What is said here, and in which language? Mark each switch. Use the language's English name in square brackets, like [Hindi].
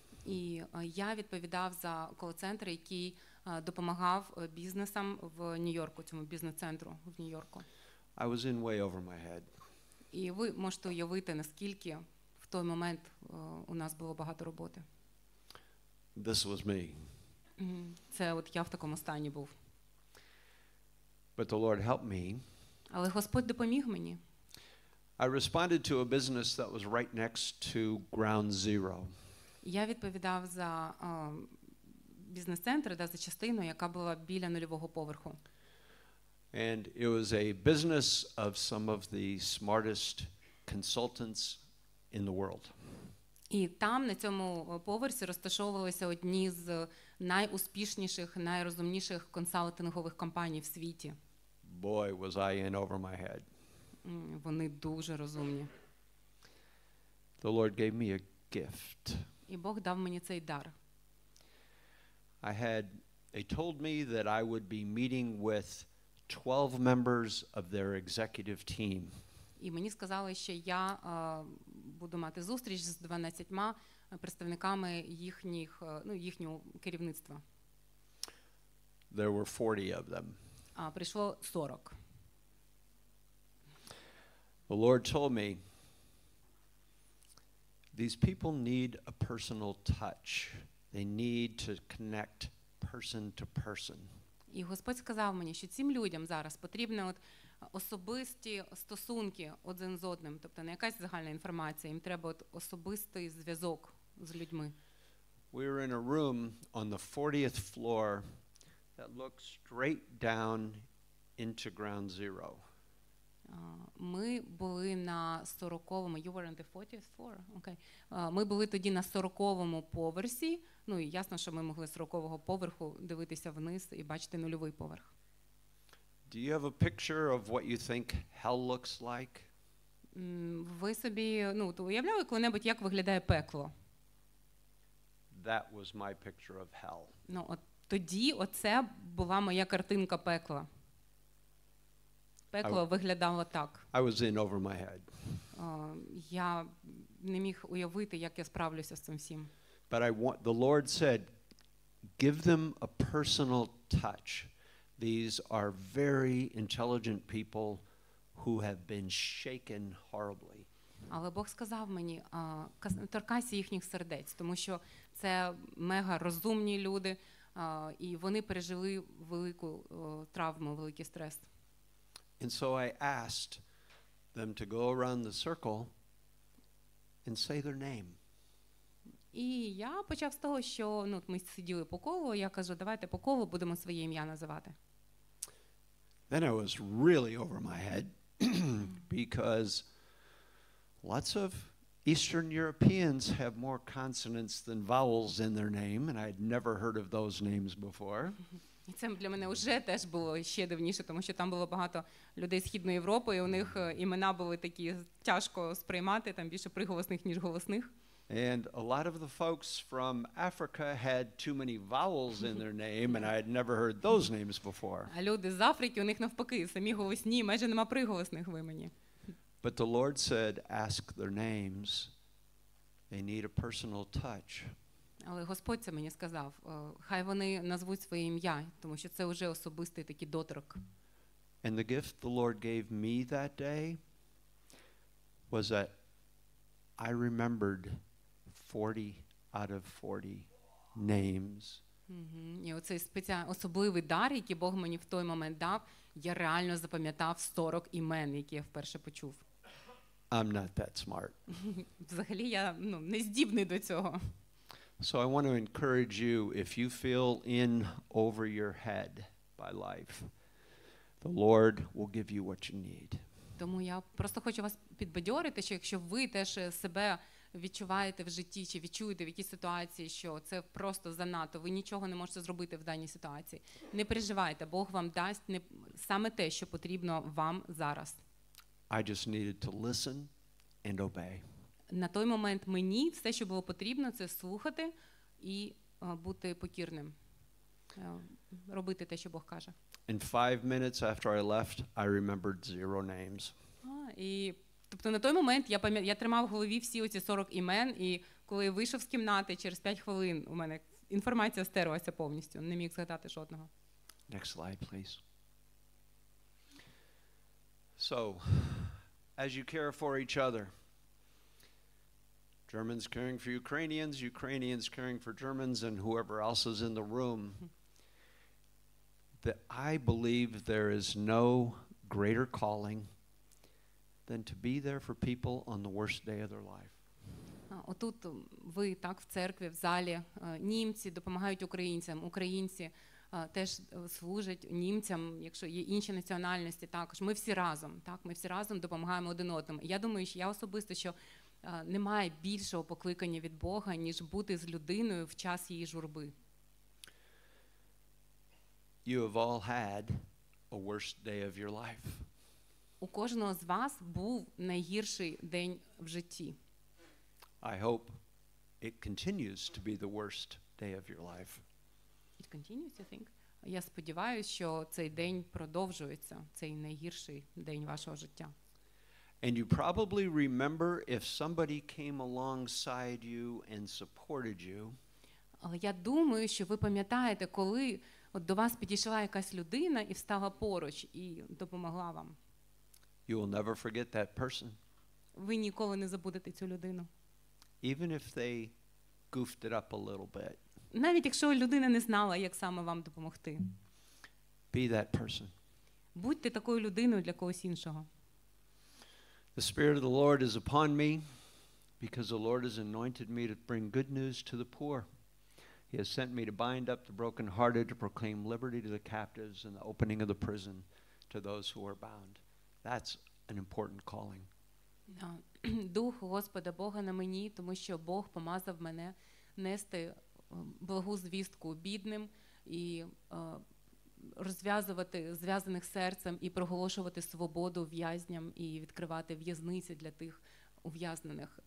[Ukrainian] І я відповідав за кол-центр, який допомагав бізнесам в Нью-Йорку, цьому бізнес-центру в Нью-Йорку. [English] I was in way over my head. [Ukrainian] І ви можете уявити, наскільки в той момент у нас було багато роботи. [English] This was me. [Ukrainian] Це от я в такому стані був. [English] But the Lord helped me. [Ukrainian] Але Господь допоміг мені. [English] I responded to a business that was right next to Ground Zero. [Ukrainian] Я відповідав за бізнес-центр, да, за частину, яка була біля нульового поверху. [English] And it was a business of some of the smartest consultants in the world. [Ukrainian] І там, на цьому поверсі, розташовувалися одні з найуспішніших, найрозумніших консалтингових компаній в світі. [English] Boy, was I in over my head. [Ukrainian] Вони дуже розумні. [English] The Lord gave me a gift. [Ukrainian] І Бог дав мені цей дар. [English] They told me that I would be meeting with 12 members of their executive team. [Ukrainian] І мені сказали, що я буду мати зустріч з 12 представниками їхніх, ну, їхнього керівництва. [English] There were 40 of them. [Ukrainian] А прийшло 40. [English] The Lord told me these people need a personal touch. They need to connect person to person. [Ukrainian] І Господь сказав мені, що цим людям зараз потрібні от особисті стосунки один з одним, тобто не якась загальна інформація, їм треба от особистий зв'язок з людьми. [English] We were in a room on the 40th floor that looked straight down into ground zero. [Ukrainian] Ми були на 40-му, [English] you were on the 40th floor, okay. [Ukrainian] Ми були тоді на 40-му поверсі, ну і ясно, що ми могли з 40-го поверху дивитися вниз і бачити нульовий поверх. [English] Do you have a picture of what you think hell looks like? [Ukrainian] Ви собі, ну, то уявляли коли-небудь, як виглядає пекло? [English] That was my picture of hell. [Ukrainian] Ну, от тоді оце була моя картинка пекла. Пекло виглядало так. [English] I was in over my head. [Ukrainian] Я не міг уявити, як я справлюся з цим всім. [English] But I want, the Lord said, give them a personal touch. These are very intelligent people who have been shaken horribly. [Ukrainian] Але Бог сказав мені, торкайся їхніх сердець, тому що це мега розумні люди, і вони пережили велику травму, великий стрес. [English] And so I asked them to go around the circle and say their name. [Ukrainian] І я почав з того, що, ну, ми сиділи по колу, я кажу, давайте по колу будемо своє ім'я називати. [English] Then I was really over my head because lots of Eastern Europeans have more consonants than vowels in their name, and I had never heard of those names before. [Ukrainian] І це для мене вже теж було ще дивніше, тому що там було багато людей з Східної Європи, і у них імена були такі тяжко сприймати, там більше приголосних, ніж голосних. [English] And a lot of the folks from Africa had too many vowels in their name, and I had never heard those names before. [Ukrainian] А люди з Африки, у них навпаки, самі голосні, майже нема приголосних в імені. [English] But the Lord said, ask their names. They need a personal touch. [Ukrainian] Але Господь це мені сказав, хай вони назвуть своє ім'я, тому що це вже особистий такий доторк. [English] And the gift the Lord gave me that day was that I remembered 40 out of 40 names. [Ukrainian] Mm-hmm. І оцей особливий дар, який Бог мені в той момент дав, я реально запам'ятав 40 імен, які я вперше почув. [English] I'm not that smart. [Ukrainian] Взагалі я, ну, не здібний до цього. [English] So I want to encourage you, if you feel in over your head by life, the Lord will give you what you need. [Ukrainian] Тому я просто хочу вас підбадьорити, що якщо ви теж себе відчуваєте в житті, чи відчуєте в якійсь ситуації, що це просто занадто, ви нічого не можете зробити в даній ситуації, не переживайте, Бог вам дасть не саме те, що потрібно вам зараз. [English] I just needed to listen and obey. [Ukrainian] На той момент мені все, що було потрібно, це слухати і бути покірним, робити те, що Бог каже. [English] And 5 minutes after I left, I remembered zero names. [Ukrainian] І, тобто на той момент я тримав в голові всі оці 40 імен, і коли вийшов з кімнати, через 5 хвилин у мене інформація стерлася повністю, не міг згадати жодного. [English] Next slide, please. So, as you care for each other, Germans caring for Ukrainians, Ukrainians caring for Germans, and whoever else is in the room, that I believe there is no greater calling than to be there for people on the worst day of their life. [Ukrainian] Отут ви так в церкві, в залі, німці допомагають українцям, українці теж служать німцям, якщо є інші національності, також ми всі разом, так, ми всі разом допомагаємо один одному. Я думаю, що я особисто, що немає більшого покликання від Бога, ніж бути з людиною в час її журби. [English] You have all had a worst day of your life. [Ukrainian] У кожного з вас був найгірший день в житті. [English] I hope it continues to be the worst day of your life. It continues, you think? [Ukrainian] Я сподіваюся, що цей день продовжується, цей найгірший день вашого життя. [English] And you probably remember if somebody came alongside you and supported you. [Ukrainian] Але я думаю, що ви пам'ятаєте, коли от до вас підійшла якась людина і встала поруч і допомогла вам. [English] You will never forget that person. [Ukrainian] Ви ніколи не забудете цю людину. [English] Even if they goofed it up a little bit. [Ukrainian] Навіть якщо людина не знала, як саме вам допомогти. [English] Be that person. [Ukrainian] Будьте такою людиною для когось іншого. [English] The Spirit of the Lord is upon me because the Lord has anointed me to bring good news to the poor. He has sent me to bind up the brokenhearted, to proclaim liberty to the captives and the opening of the prison to those who are bound. That's an important calling. [Ukrainian] Дух Господа Бога на мені, тому що Бог помазав мене нести благу звістку бідним і розв'язувати зв'язаних серцем і проголошувати свободу в'язням і відкривати в'язниці для тих ув'язнених.